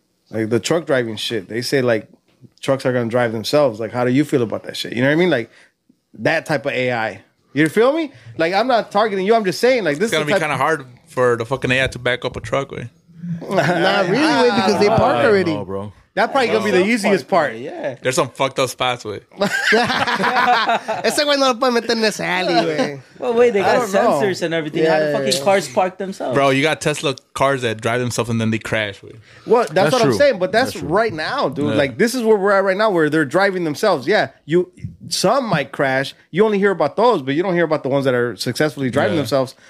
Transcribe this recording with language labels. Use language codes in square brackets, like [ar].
[en] Like, the truck driving shit. They say, like, trucks are going to drive themselves. Like, how do you feel about that shit? You know what I mean? Like... That type of AI. You feel me? Like, I'm not targeting you. I'm just saying, like, this it's gonna is going to be kind of hard for the fucking AI to back up a truck, way. Not really, way, because they park already. No, bro. That's probably going to be the easiest part. Yeah. There's some fucked up spots, way. [es] Ese güey no lo puede meter en esa [en] alley, güey. Well, wait, they got sensors and everything. Yeah, how the fucking cars park themselves? Bro, you got Tesla cars that drive themselves and then they crash, way. Well, that's what true. I'm saying, but that's right now, dude. Yeah. Like, this is where we're at right now, where they're driving themselves. Yeah, some might crash. You only hear about those, but you don't hear about the ones that are successfully driving themselves.